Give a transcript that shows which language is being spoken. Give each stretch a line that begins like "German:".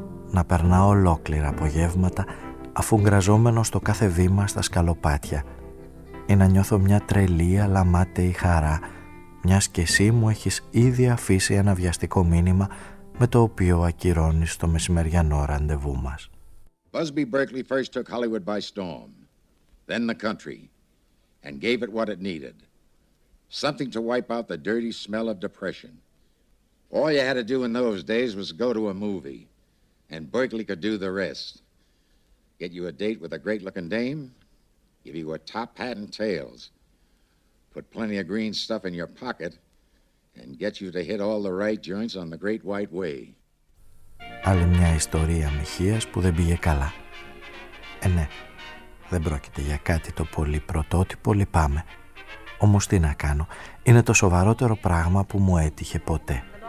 Greek: Να περνά ολόκληρα απογεύματα αφού γκραζόμενο στο κάθε βήμα στα σκαλοπάτια ή να νιώθω μια τρελή αλλά μάταιη χαρά μιας και εσύ μου έχεις ήδη αφήσει ένα βιαστικό μήνυμα με το οποίο ακυρώνεις το μεσημεριανό ραντεβού μας.
English: Busby Berkeley first took Hollywood by storm, then the country, and gave it what it needed. Something to wipe out the dirty smell of depression. All you had to do in those days was go to a movie, and Berkeley could do the rest. Get you a date with a great-looking dame, give you a top hat and tails, put plenty of green stuff in your pocket, and get you to hit all the right joints on the Great White Way.
Greek: Άλλη μια ιστορία μοιχείας που δεν πήγε καλά. Ναι, δεν πρόκειται για κάτι το πολύ πρωτότυπο, λυπάμαι. Όμως τι να κάνω, είναι το σοβαρότερο πράγμα που μου έτυχε ποτέ.